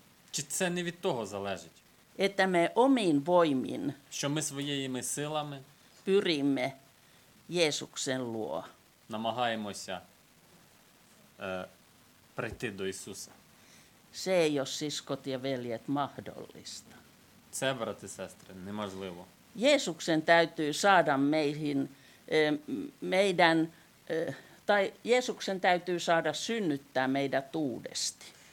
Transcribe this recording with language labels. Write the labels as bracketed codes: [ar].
[uk] Чит це не від того залежить. [fi] Että me omin voimin. [uk] Що ми своїми силами? [fi] Pyrimme Jeesuksen luo. [uk] Намагаємося прийти до Ісуса. [fi] Se ei ole, siskot ja veljet, mahdollista. [uk] Це, брати і сестри, неможливо. [fi] Jeesuksen täytyy saada meihin meidän tai Jeesuksen täytyy saada synnyttää meidät uudesti.